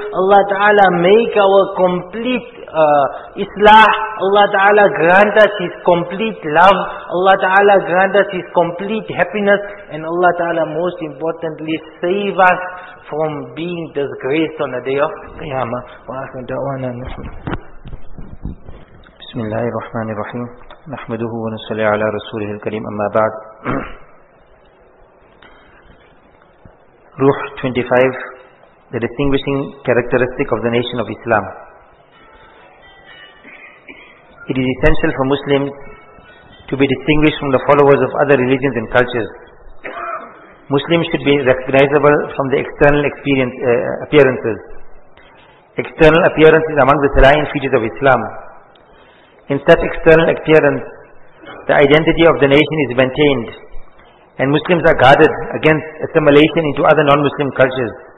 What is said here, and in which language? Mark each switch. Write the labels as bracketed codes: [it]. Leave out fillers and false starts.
[en] Allah Ta'ala make our complete islah. Allah Ta'ala grant us His complete love. Allah Ta'ala grant us His complete happiness. And Allah Ta'ala most importantly save us from being disgraced on the day of Qiyamah. [ar] بسم الله الرحمن الرحيم نحمده ونصلي على رسوله الكريم أما بعد روح 25 [en] The distinguishing characteristic of the nation of Islam. It is essential for Muslims to be distinguished from the followers of other religions and cultures. Muslims should be recognizable from the external appearances. External appearance is among the salient features of Islam. In such external appearance, the identity of the nation is maintained, and Muslims are guarded against assimilation into other non-Muslim cultures.